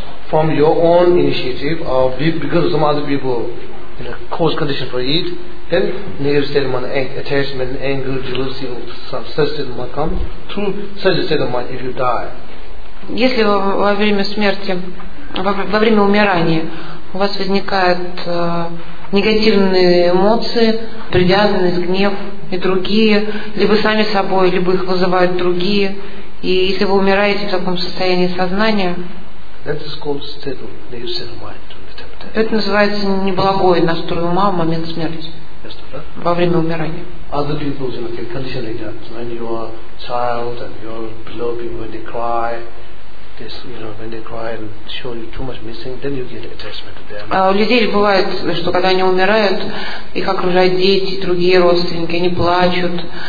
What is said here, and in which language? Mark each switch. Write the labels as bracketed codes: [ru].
[en] From your own initiative, or because of some other people, in a coarse condition for it, then negative state of mind, attachment, anger, jealousy, or some such state of mind come through such a state of mind if you die. [ru] Если во время смерти, во время умирания, у вас возникают негативные эмоции, привязанность, гнев и другие, либо сами собой, либо их вызывают другие, и если вы умираете в таком состоянии сознания. [en] That is called state of negative mind during the time of death. [ru] Это называется неблагой настрой ума в момент смерти. [en] Yes, [ru] во время умирания. [en] Other people, you know, condition like that. When you are a child and you are below people, when they cry, this, you know, when they cry and show you too much missing, then you get attachment to them. [ru] У людей бывает, что когда они умирают, их окружают дети, другие родственники, они плачут.